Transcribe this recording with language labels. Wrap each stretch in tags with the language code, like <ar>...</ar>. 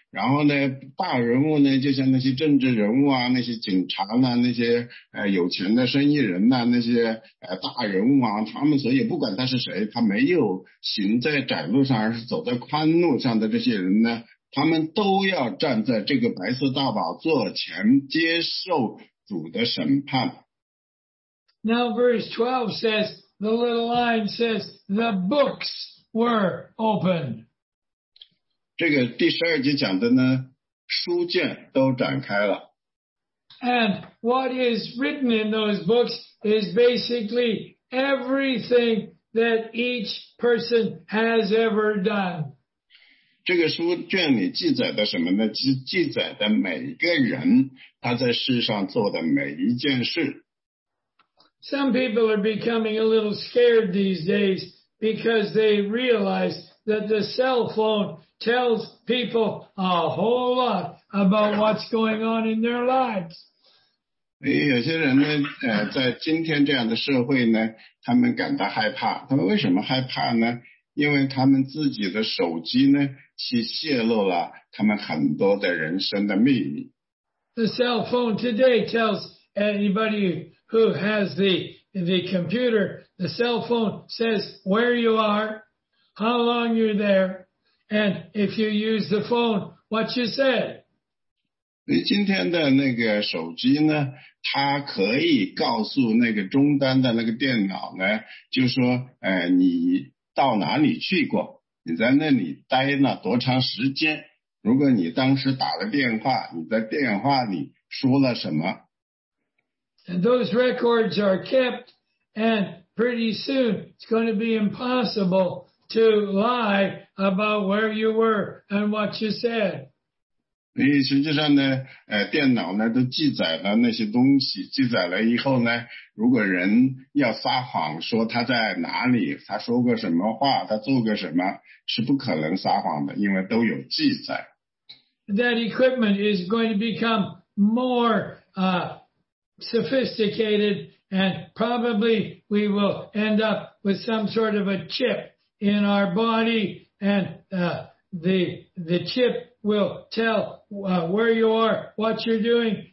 <zh>然后呢，大人物呢，就像那些政治人物啊，那些警察啊，那些有钱的生意人啊，那些大人物啊，他们所以不管他是谁，他没有行在窄路上，而是走在宽路上的这些人呢，他们都要站在这个白色大宝座前接受主的审判。</zh> <en>Now verse 12 says, the little line says, the books were opened.</en> <zh>这个第十二节讲的呢，书卷都展开了。</zh> <en>And what is written in those books is basically everything that each person has ever done.</en> <zh>这个书卷里记载的什么呢？记载的每个人他在世上做的每一件事。</zh> <en>Some people are becoming a little scared these days because they realize that the cell phone tells people a whole lot about what's going on in their lives.</en> <zh>有些人呢，在今天这样的社会呢，他们感到害怕。他们为什么害怕呢？因为他们自己的手机呢，去泄露了他们很多的人生的秘密。</zh> <en>The cell phone today tells anybody who has the computer, the cell phone says where you are, how long you're there, and if you use the phone, what you said.</en> <zh>今天的那个手机呢，它可以告诉那个终端的那个电脑呢，就说你到哪里去过，你在那里待了多长时间，如果你当时打了电话，你在电话里说了什么。</zh> <en>And those records are kept, and pretty soon it's going to be impossible to lie about where you were and what you said.</en> <zh>实际上呢，电脑呢都记载了那些东西，记载了以后呢，如果人要撒谎说他在哪里，他说过什么话，他做过什么，是不可能撒谎的，因为都有记载。</zh> <en>That equipment is going to become more sophisticated, and probably we will end up with some sort of a chip in our body, and the chip will tell where you are, what you're doing.</en>